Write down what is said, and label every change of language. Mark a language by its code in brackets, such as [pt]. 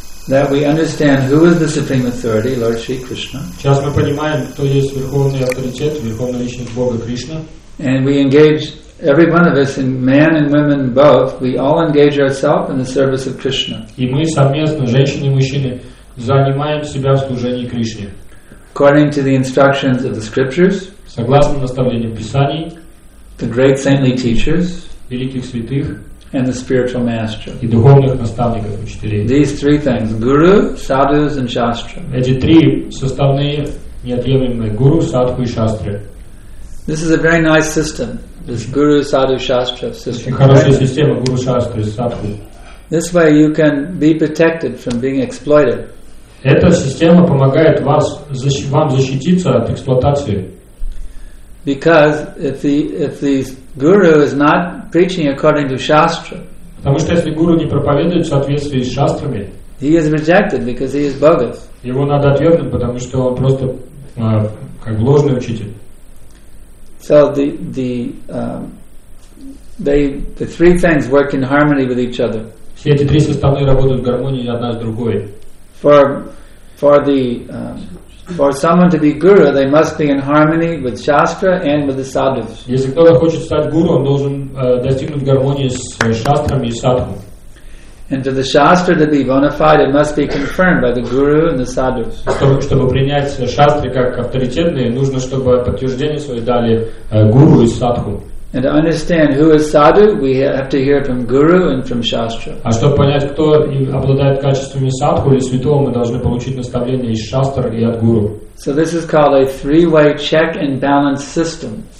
[en] That we understand who is the supreme authority, Lord Shri Krishna. [ru] Сейчас мы понимаем, кто есть верховный авторитет, верховная личность Бога Кришна. [en] And we engage every one of us, and man and women both, we all engage ourselves in the service of Krishna. [ru] И мы совместно, женщины и мужчины, занимаем себя в служении Кришне. [en] According to the instructions of the scriptures, [ru] согласно наставлениям Писаний, [en] the great saintly teachers, [ru] великих святых, [en] and the spiritual master, [ru] и духовных наставников, учителей. [en] These three things, guru, sadhus, and shastra. [ru] Эти три составные, неотъемлемые, гуру, садху и шастры. [en] This is a very nice system. This guru, sadhu, shastra system. [ru] Хорошая система гуру, шастры, садху. [en] This way you can be protected from being exploited. [ru] Эта система помогает вам защититься от эксплуатации. [en] Because if the guru is not preaching according to shastra. [ru] Потому что если гуру не проповедует в соответствии с шастрами. [en] He is rejected because he is bogus. [ru] Его надо отвергнуть, потому что он просто как ложный учитель. [en] So the three things work in harmony with each other. [ru] Все эти три составные работают в гармонии одна с другой. [en] For someone to be guru, they must be in harmony with Shastra and with the sadhus. [ru] Если кто-то хочет стать гуру, он должен достигнуть гармонии с шастрами и садху. [en] And for the Shastra to be bona fide, it must be confirmed by the guru and the sadhus. [ru] Чтобы принять шастры как авторитетные, нужно, чтобы подтверждение свое дали гуру и садху. [en] And to understand who is sadhu, we have to hear from guru and from shastra. [ru] А чтобы понять, кто обладает качествами садху или святого, мы должны получить наставление из шастр и от гуру. [en] So this is called a three-way check and balance system.